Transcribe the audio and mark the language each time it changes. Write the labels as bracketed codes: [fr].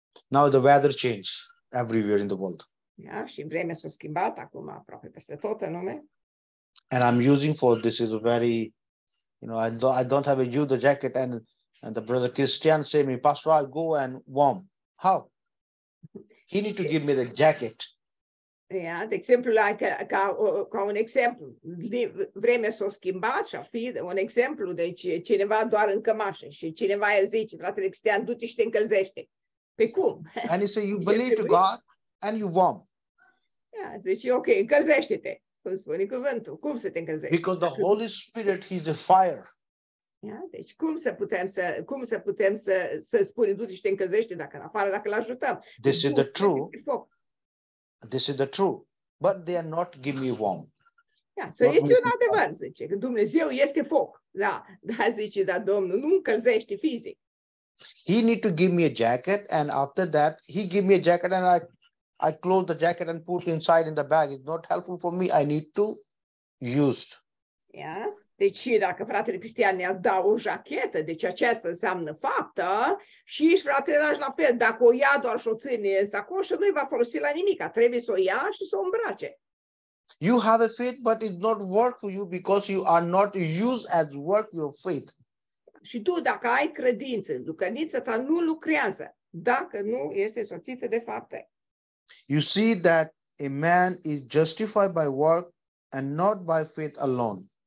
[en] Now the weather changed everywhere in the world. [ro] Yeah, și vremea s-a schimbat acum aproape peste tot în lume. [en] And I'm using for this is a very, you know, I don't have a Judah jacket and the brother Christian say me, Pastor, I'll go and warm. How? He need to give me the jacket. [ro] Yeah, de exemplu, like, ca un exemplu, vremea s-a schimbat și ar fi un exemplu, deci cineva doar în cămașă și cineva îi zice, fratele Cristian, du-te și te încălzește. Pe cum? [en] And he say, you believe to God and you warm. [ro] Yeah, zice, ok, încălzește-te, cum spune cuvântul, cum să te încălzești? [en] Because the Holy Spirit is a fire. [ro] Yeah, deci cum să putem să spunem du-te și te încălzește dacă în afară, dacă l-ajutăm. [en] This is the truth. This is the truth. But they are not give me warm. [ro] Yeah, so este un adevăr, zice, că Dumnezeu este foc. Da, da, zice, da, Domnul, nu încălzește fizic. [en] He need to give me a jacket and after that he give me a jacket and I close the jacket and put inside in the bag. It's not helpful for me. I need to used. Yeah. [ro] Deci dacă fratele Cristian ne-a dat o jachetă, deci aceasta înseamnă faptă, și ești fratele lași la fel, dacă o ia doar și o ține în sacoșă, nu-i va folosi la nimica, trebuie să o ia și să o îmbrace. [en] You have a faith, but it's not work for you because you are not used as work your faith. [ro] Și tu, dacă ai credință, credința ta nu lucrează dacă nu este soțită de fapte. [en] You see that a man is justified by work and not by faith alone.